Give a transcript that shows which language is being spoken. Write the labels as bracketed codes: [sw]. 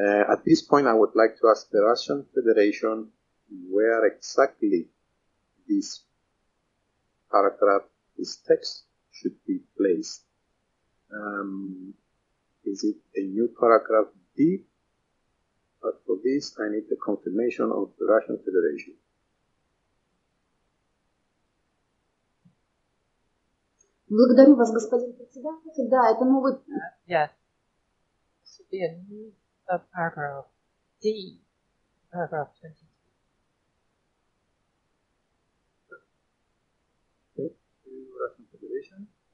[en] At this point, I would like to ask the Russian Federation where exactly this paragraph, this text, should be placed. Is it a new paragraph D? But for this, I need the confirmation of the Russian Federation. [ru] Благодарю вас, господин председатель. Да, это новый... [en] Yes. It should be a new paragraph D, paragraph 22. Okay. Russian Federation.